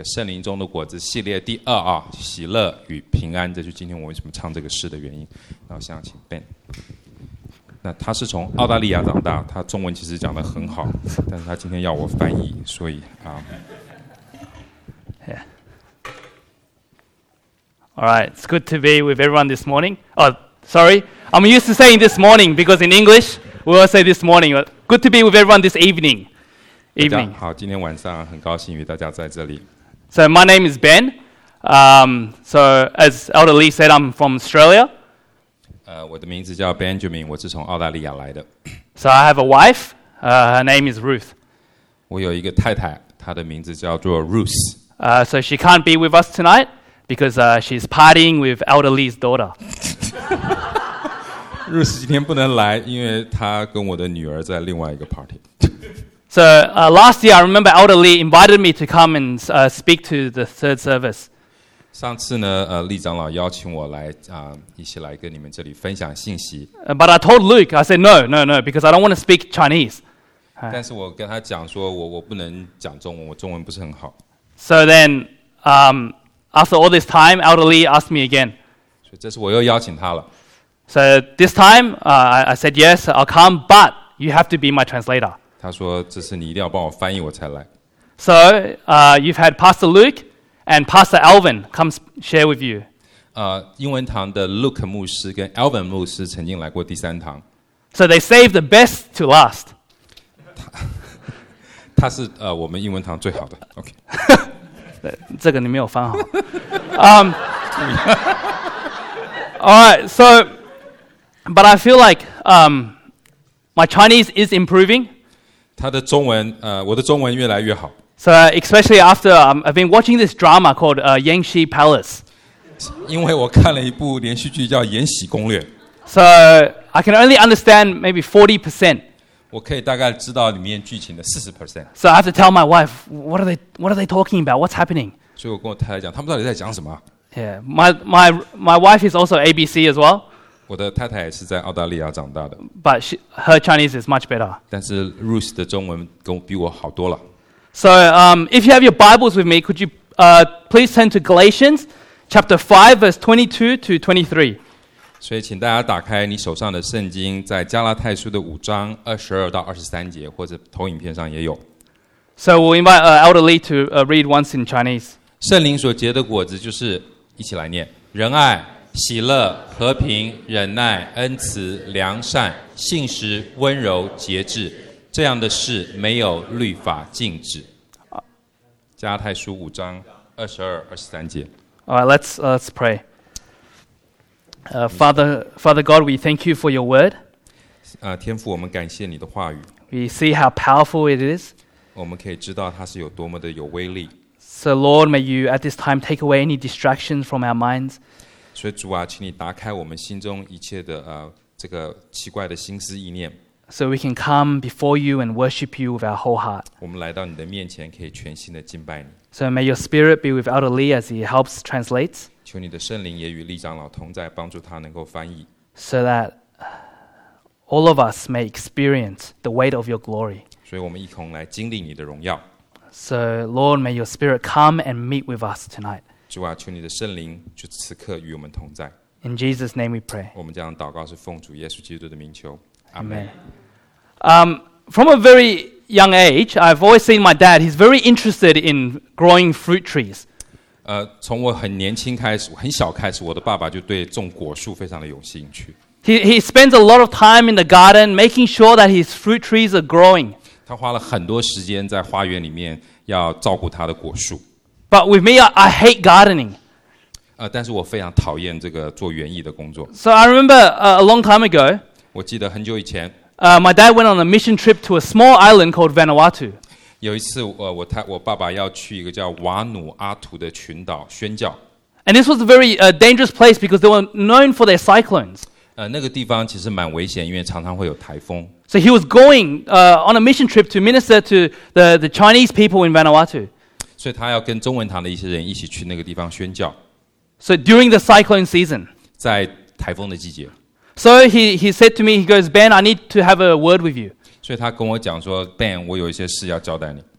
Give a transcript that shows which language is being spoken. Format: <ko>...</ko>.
<zh>圣灵中的果子系列第二啊，喜乐与平安，这就是今天我为什么唱这个诗的原因。然后想请 Ben， 那他是从澳大利亚长大，他中文其实讲得很好，但是他今天要我翻译，所以啊。</zh> <en>Yeah. All right, it's good to be with everyone this morning. Oh, sorry, I'm used to saying this morning because in English we all say this morning. Good to be with everyone this evening. Evening.</en> <zh>好，今天晚上很高兴与大家在这里。</zh> <en>So my name is Ben. So as Elder Lee said, I'm from Australia.</en> <zh>我的名字叫 Benjamin， 我是从澳大利亚来的。</zh> <en>So I have a wife. Her name is Ruth.</en> <zh>我有一个太太，她的名字叫做 Ruth。</zh> <en>So she can't be with us tonight because she's partying with Elder Lee's daughter.</en> <zh>Ruth 今天不能来，因为她跟我的女儿在另外一个 party。</zh> <en>So last year, I remember Elder Lee invited me to come and speak to the third service.</en> <zh>上次呢，李长老邀请我来一起来跟你们这里分享信息。</zh> <en>But I told Luke, I said no, because I don't want to speak Chinese.</en> <zh>但是我跟他讲说我不能讲中文，我中文不是很好。</zh> <en>So then, after all this time, Elder Lee asked me again.</en> <zh>所以这次我又邀请他了。</zh> <en>So this time, I said yes, I'll come, but you have to be my translator.</en> <zh>他说这次你一定要帮我翻译我才来。</zh> <en>So, you've had Pastor Luke and Pastor Alvin come share with you.</en> <zh>英文堂的 Luke 牧师跟 Alvin 牧师曾经来过第三堂。</zh> <en>So they saved the best to last.</en> <zh>他是我们英文堂最好的。</zh> <en>OK，</en> <zh>这个你没有翻好。</zh> <en>All right, so, but I feel like my Chinese is improving.</en> <zh>他的中文我的中文越来越好。</zh> <en>So especially after I've been watching this drama called Yangtze Palace.</en> <zh>因为我看了一部连续剧叫《延禧攻略》。</zh> <en>So I can only understand maybe 40%。</en> <zh>我可以大概知道里面剧情的 40%。</zh> <en>So I have to tell my wife, what are they talking about? What's happening?</en> <zh>所以我跟我太太讲，他们到底在讲什么？</zh> <en>Yeah, my wife is also ABC as well.</en> <zh>我的太太也是在澳大利亚长大的。</zh> <en>But her Chinese is much better.</en> <zh>但是 Ruth 的中文比我好多了。</zh> <en>So if you have your Bibles with me, could you please turn to Galatians chapter 5 verse 22 to 23.</en> <zh>所以请大家打开你手上的圣经，在加拉太书的五章二十二到二十三节，或者投影片上也有。</zh> <en>So we invite Elder Lee to read once in Chinese.</en> <zh>圣灵所结的果子就是，一起来念：仁爱、喜乐、和平、忍耐、恩慈、良善、信实、温柔、节制，这样的事没有律法禁止。加拉太书五章二十二、二十三节。</zh> <en>All right, let's pray. Father God, we thank you for your word.</en> <zh>天父，我们感谢你的话语。</zh> <en>We see how powerful it is.</en> <zh>我们可以知道它是有多么的有威力。</zh> <en>So Lord, may you at this time take away any distractions from our minds.</en> <zh>所以主啊，请你打开我们心中一切的这个奇怪的心思意念。</zh> <en>So we can come before you and worship you with our whole heart.</en> <zh>我们来到你的面前，可以全心的敬拜你。</zh> <en>So may your spirit be with Elder Lee as he helps translate.</en> <zh>求你的圣灵也与利长老同在，帮助他能够翻译。</zh> <en>So that all of us may experience the weight of your glory.</en> <zh>所以我们一同来经历你的荣耀。</zh> <en>So Lord, may your spirit come and meet with us tonight.</en> <zh>主啊，求你的圣灵就此刻与我们同在。</zh> <en>In Jesus' name we pray.</en> <zh>我们这样祷告是奉主耶稣基督的名求。</zh> <en>Amen. From a very young age, I've always seen my dad. He's very interested in growing fruit trees.</en> <zh>从我很年轻开始，很小开始，我的爸爸就对种果树非常的有兴趣。</zh> <en>He spends a lot of time in the garden, making sure that his fruit trees are growing.</en> <zh>他花了很多时间在花园里面，要照顾他的果树。</zh> <en>But with me, I hate gardening.</en> <zh>但是我非常讨厌这个做园艺的工作。</zh> <en>So I remember a long time ago.</en> <zh>我记得很久以前</zh> <en>my dad went on a mission trip to a small island called Vanuatu.</en> <zh>有一次我爸爸要去一个叫瓦努阿图的群岛宣教。</zh> <en>And this was a very dangerous place because they were known for their cyclones.</en> <zh>那个地方其实蛮危险，因为常常会有台风。</zh> <en>So he was going on a mission trip to minister to the Chinese people in Vanuatu.</en> <zh>所以他要跟中文堂的一些人一起去那个地方宣教。</zh> <en>So during the cyclone season.</en> <zh>在台风的季节。</zh> <en>So he said to me, he goes, Ben, I need to have a word with you.</en> <zh>所以他跟我讲说 ，Ben， 我有一些事要交代你。</zh>